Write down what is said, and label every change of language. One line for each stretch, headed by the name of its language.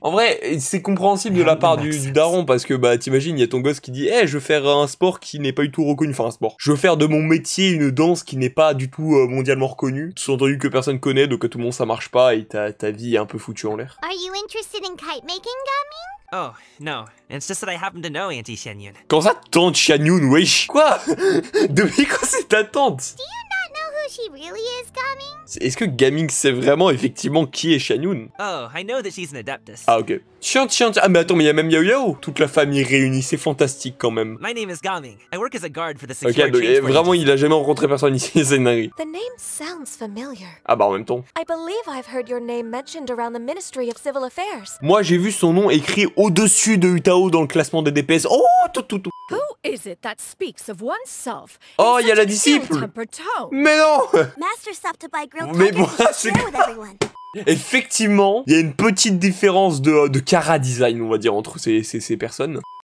French: En vrai, c'est compréhensible de la part du daron, parce que, bah, t'imagines, il y a ton gosse qui dit, je veux faire un sport qui n'est pas du tout reconnu. Enfin, un sport. Je veux faire de mon métier une danse qui n'est pas du tout mondialement reconnue. Sous-entendu que personne connaît, donc que tout le monde ça marche pas et ta vie est un peu foutue en l'air.
English: Are you interested in kite making, Gaming? Oh, no. It's just that I happen to know Auntie Xianyun.
French: Quand ça, tante Xianyun, wesh. Quoi? Depuis quand c'est ta tante?
English: Do you not know who she really is, Gaming?
French: Est-ce que Gaming sait vraiment effectivement qui est Xianyun?
English: Oh, I know that she's an Adeptus.
French: Ah, ok. Chiant, chiant, chiant. Ah, mais attends, mais il y a même Yao Yao. Toute la famille réunie, c'est fantastique quand même.
English: My name is Gaming. I work as a guard for the security.
French: Ok, donc vraiment, il a jamais rencontré personne ici, c'est Nari.
English: The name sounds familiar.
French: Ah bah, en même temps.
English: I believe I've heard your name mentioned around the Ministry of Civil Affairs.
French: Moi, j'ai vu son nom écrit au-dessus de Utao dans le classement des DPS. Oh, tout, tout, tout.
English: Who is it that speaks of oneself?
French: Oh, il y a la disciple. Mais non.
English: Master Saptabai.
French: Mais bon, c'est effectivement, il y a une petite différence de chara-design, on va dire, entre ces personnes.